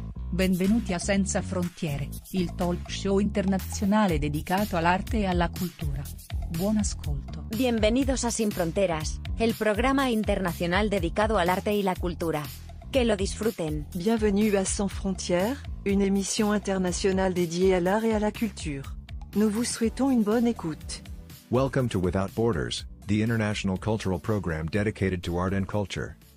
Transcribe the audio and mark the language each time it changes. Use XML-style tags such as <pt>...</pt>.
<it>Benvenuti a Senza Frontiere, il talk show internazionale dedicato all'arte e alla cultura. Buon ascolto.</it> <es>Bienvenidos a Sin Fronteras, el programa internacional dedicado al arte y la cultura. Que lo disfruten.</es> <fr>Bienvenue à Sans Frontières, une émission internationale dédiée à l'art et à la culture. Nous vous souhaitons une bonne écoute.</fr> <en>Welcome to Without Borders, the international cultural program dedicated to art and culture.</en>